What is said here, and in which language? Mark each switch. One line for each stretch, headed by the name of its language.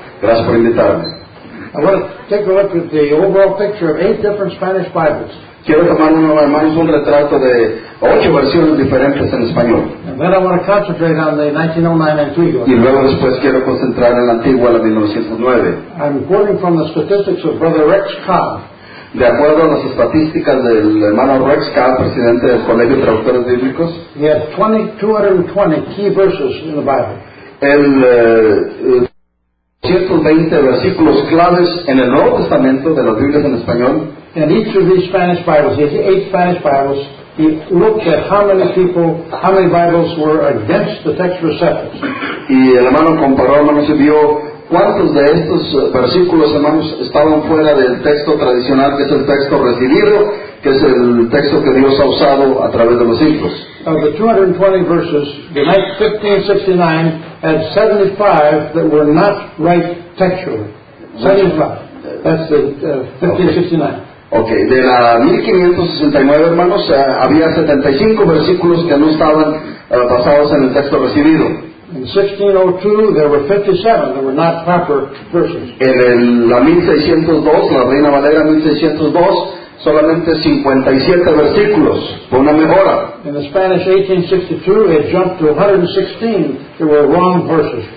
Spanish: Gracias por invitarme.
English: I want to take a look at the overall picture of 8 different Spanish Bibles.
Spanish: Quiero tomar uno, hermanos, un retrato de 8 versiones diferentes en español.
English: And then I want to concentrate on the 1909 Antigua.
Spanish: Y luego después quiero concentrar en la Antigua, la 1909.
English: I'm quoting from the statistics of Brother Rex Cobb.
Spanish: De acuerdo a las estadísticas del hermano Rex Cobb, presidente del Colegio de Traductores Bíblicos.
English: He has 220 key verses in the Bible.
Spanish: El 220 versículos claves en el Nuevo Testamento de las Biblias en español.
English: And each of these Spanish Bibles, these 8 Spanish Bibles, he looked at how many Bibles were against the text of Septuagint.
Spanish: Y el hermano comparó, hermano, se vio cuántos de estos versículos, hermanos, estaban fuera del texto tradicional, que es el texto recibido, que es el texto que Dios ha usado a través de los siglos.
English: Of the 220 verses, the 1569 had 75 that were not right textually. 75. That's the 1569.
Spanish: Okay, de la 1569, hermanos, había 75 versículos que no estaban basados en el texto recibido.
English: In 1602, there were 57 that were not proper versions.
Spanish: En la 1602, la Reina Valera 1602, solamente 57 versículos, por una mejora.
English: In the Spanish 1862, it jumped to 116 that were wrong verses.